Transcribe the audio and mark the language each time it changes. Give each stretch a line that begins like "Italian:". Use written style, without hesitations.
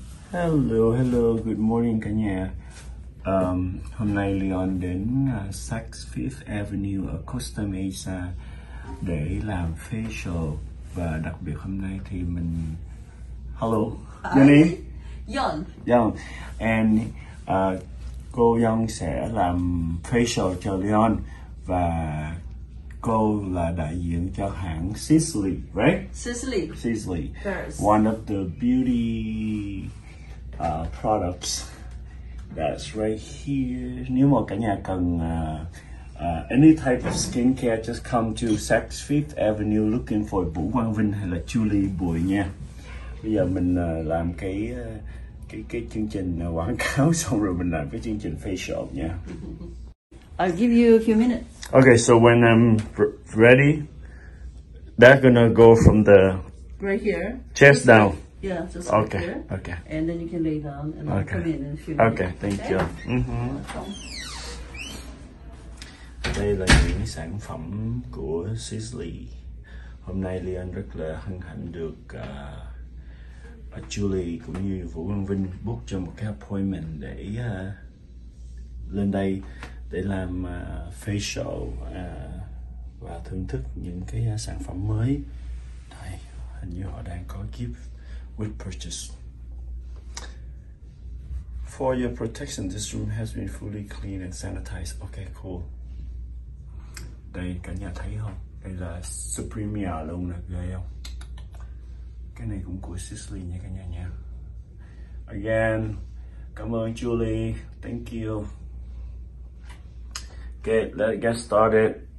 English: Hello, good morning
Vietnamese: cả nhà. Hôm nay Leon đến Saks Fifth Avenue ở Costa Mesa để làm facial, và đặc biệt hôm nay thì mình
English: hello,
Vietnamese: Johnny.
English: Young.
Vietnamese: And cô Young sẽ làm facial cho Leon, và cô là đại diện cho hãng Sisley,
English: right? Sisley. Yes. One of the beauty products that's right here.
Vietnamese: Nếu mà cả nhà cần
English: any type of skincare, just come to Saks Fifth Avenue looking for
Vietnamese: Vũ Quang Vinh hay là Julie Bùi nha. Bây giờ mình làm cái chương trình quảng cáo xong rồi mình làm cái chương trình facial nha.
English: I'll give you a few minutes. Okay, so when I'm ready, that's gonna go from the right here chest down. Yeah, just okay. Right here. Okay. And then you can lay down and I'll come in and shoot. Okay, thank you. Mm-hmm.
Vietnamese: Đây là những sản phẩm của Sisley. Hôm nay Leon rất là hân hạnh được Julie cũng như Vũ Quang Vinh book cho một cái appointment để lên đây để làm facial và thưởng thức những cái sản phẩm mới. Đây, hình như họ đang có gift with purchase.
English: For your protection, this room has been fully cleaned and sanitized. Okay, cool.
Vietnamese: Đây, cả nhà thấy không? Đây là Supremia luôn nè, ghê không? Cái này cũng của Sisley nha cả nhà nha. Again, cảm ơn Julie.
English: Thank you. Okay, let's get started.